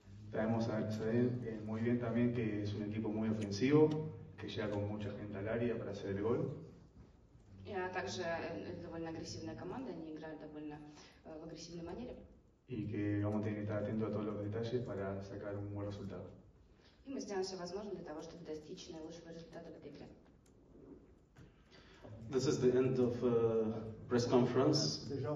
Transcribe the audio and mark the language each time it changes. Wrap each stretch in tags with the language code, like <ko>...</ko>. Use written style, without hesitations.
<es>Traemos a Israel muy bien también, que es un equipo muy ofensivo, que llega con mucha gente al área para hacer el gol.</es> <ru>Также довольно агрессивная команда, они играют довольно в агрессивной манере.</ru> <es>И que vamos a tener que estar atento a todos los detalles para sacar un buen resultado.</es> <ru>И мы сделаем все возможное для того, чтобы достичь наилучшего результата в этой игре.</ru> <en>This is the end of press conference.</en>